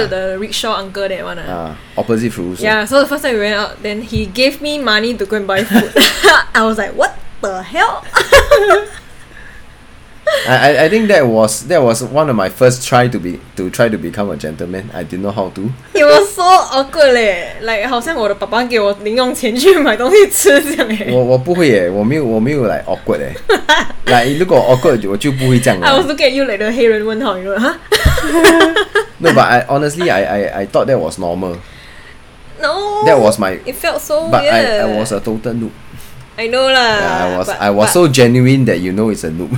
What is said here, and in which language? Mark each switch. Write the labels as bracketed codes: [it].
[en] You know the rickshaw uncle that one. Opposite Fulu Show. Yeah, so the first time we went out, then he gave me money to go and buy food. I was like, what the hell? I think that was one of my first try to become a gentleman. I didn't know how to. It was so awkward leh. [zh] Like 好像我的爸爸给我零用钱去买东西吃这样耶。我不会耶，我没有 like awkward 耶。Like 如果 awkward 我就不会这样了。 [en] I was looking at you like the 黑人问号, you know, huh? No, but I honestly thought that was normal. No. That was my. It felt so but weird. But I was a total noob. I know lah. Yeah, I was so genuine that you know it's a noob.